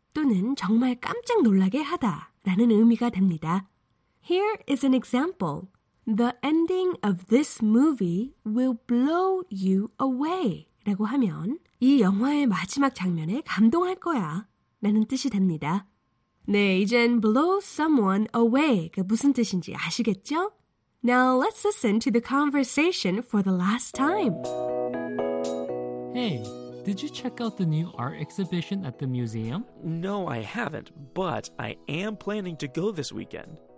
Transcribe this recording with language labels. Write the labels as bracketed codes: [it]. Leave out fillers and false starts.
[ko] 또는 정말 깜짝 놀라게 하다라는 의미가 됩니다. [en] Here is an example. The ending of this movie will blow you away. [ko] 라고 하면 이 영화의 마지막 장면에 감동할 거야 라는 뜻이 됩니다. 네, 이젠 blow someone away가 무슨 뜻인지 아시겠죠? [en] Now let's listen to the conversation for the last time. Hey, Did you check out the new art exhibition at the museum? No, I haven't, but I am planning to go this weekend.